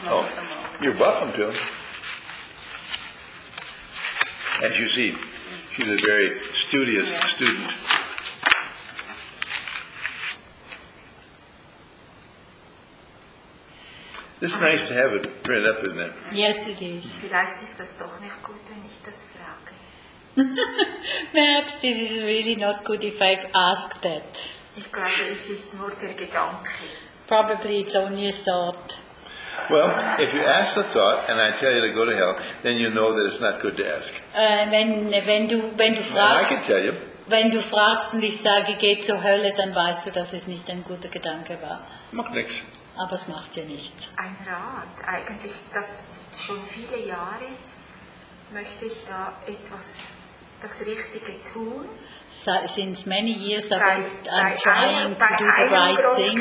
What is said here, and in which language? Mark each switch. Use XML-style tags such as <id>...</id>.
<en>Oh, you're welcome to. As you see, she's a very studious student. This is nice to have it printed up, isn't it? Yes, it is.</en> <de>Vielleicht ist das doch nicht gut, wenn ich das frage.</de> <en>Perhaps this is really not good if I ask that.</en> <de>Ich glaube, es ist nur der Gedanke.</de> <en>Probably it's only a thought. Well, if you ask the thought and I tell you to go to hell, then you know that it's not good to ask.</en> <de>Wenn du fragst,</de> <en>well, I can tell you.</en> <de>Wenn du fragst und ich sage, geh zur Hölle, dann weißt du, dass es nicht ein guter Gedanke war. Macht nichts. Aber es macht ja nichts. Ein Rat, eigentlich, das schon viele Jahre möchte ich da etwas, das Richtige tun.</de> <en>Since many years I'm trying to do the right thing.</en>